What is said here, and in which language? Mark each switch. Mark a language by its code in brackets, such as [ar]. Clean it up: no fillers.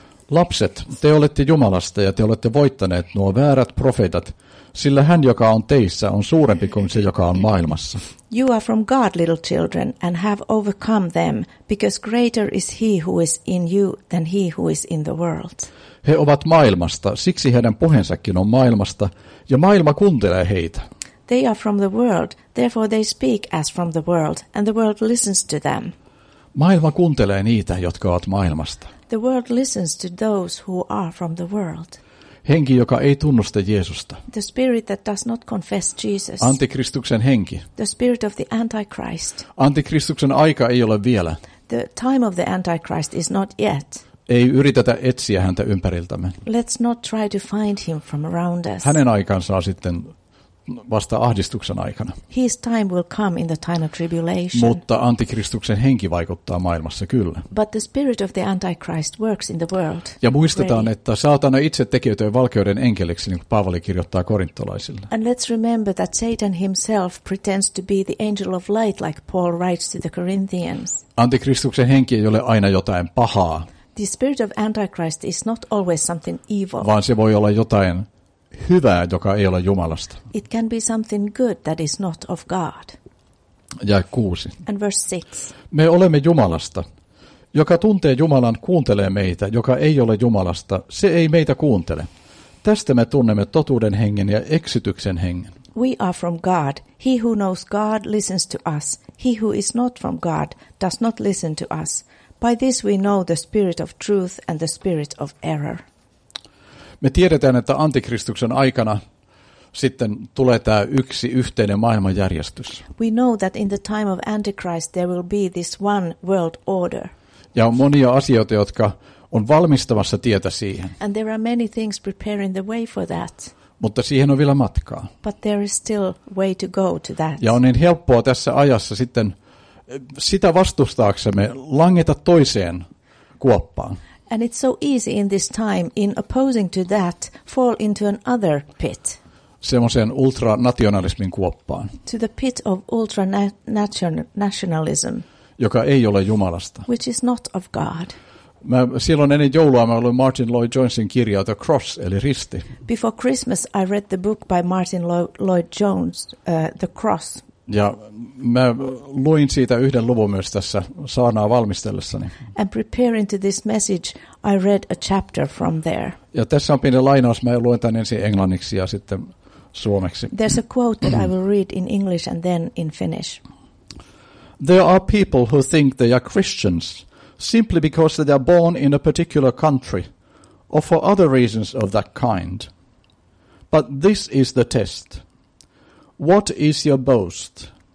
[fi] Lapset, te olette Jumalasta ja te olette voittaneet nuo väärät profeetat, sillä hän, joka on teissä, on suurempi kuin se, joka on maailmassa. [en] You are from God, little children, and have overcome them, because greater is he who is in you than he who is in the world. [fi] He ovat maailmasta, siksi heidän puheensakin on maailmasta, ja maailma kuuntelee heitä. [en] They are from the world, therefore they speak as from the world, and the world listens to them. [fi] Maailma kuuntelee niitä, jotka ovat maailmasta. [en] The world listens to those who are from the world. [fi] Henki, joka ei tunnusta Jeesusta. [en] The spirit that does not confess Jesus. [fi] Antikristuksen henki. [en] The spirit of the Antichrist. [fi] Antikristuksen aika ei ole vielä. [en] The time of the Antichrist is not yet. [fi] Ei yritetä etsiä häntä ympäriltämme. [en] Let's not try to find him from around us. [fi] Hänen aikansa on sitten vasta ahdistuksen aikana. [en] His time will come in the time of tribulation. [fi] Mutta antikristuksen henki vaikuttaa maailmassa, kyllä. [en] But the spirit of the Antichrist works in the world. [fi] Ja muistetaan, että saatana itse tekeytyy valkeuden enkeliksi, niin kuin Paavali kirjoittaa korintolaisille. [en] And let's remember that Satan himself pretends to be the angel of light, like Paul writes to the Corinthians. [fi] Antikristuksen henki ei ole aina jotain pahaa. [en] The spirit of Antichrist is not always something evil. [fi] Vaan se voi olla jotain hyvää, joka ei ole Jumalasta. [en] It can be something good that is not of God. [fi] Ja 6. [en] And verse 6. [fi] Me olemme Jumalasta. Joka tuntee Jumalan, kuuntelee meitä. Joka ei ole Jumalasta, se ei meitä kuuntele. Tästä me tunnemme totuuden hengen ja eksytyksen hengen. [en] We are from God. He who knows God listens to us. He who is not from God does not listen to us. By this we know the spirit of truth and the spirit of error. [fi] Me tiedetään, että antikristuksen aikana sitten tulee tämä yksi yhteinen maailmanjärjestys. [en] We know that in the time of Antichrist there will be this one world order. [fi] Ja on monia asioita, jotka on valmistamassa tietä siihen. [en] And there are many things preparing the way for that. [fi] Mutta siihen on vielä matkaa. [en] But there is still way to go to that. [fi] Ja on niin helppoa tässä ajassa sitten sitä vastustaaksemme langeta toiseen kuoppaan. [en] And it's so easy in this time in opposing to that fall into another pit. [fi] Semmoiseen ultranationalismin kuoppaan. [en] To the pit of ultranationalism. [fi] Joka ei ole Jumalasta. [en] Which is not of God. [fi] Mä silloin ennen joulua mä luin Martin Lloyd-Jonesin kirjaa The Cross, eli risti. [en] Before Christmas I read the book by Martin Lloyd-Jones, The Cross. [fi] Ja mä luin siitä yhden luvun myös tässä saarnaa valmistellessani. [en] And preparing to this message I read a chapter from there. [fi] Ja tässä on pieni lainaus, mä luen tämän ensin englanniksi ja sitten suomeksi. [en] There's a quote that I will read in English and then in Finnish. There are people who think they are Christians simply because they are born in a particular country or for other reasons of that kind. But this is the test. What is your boast?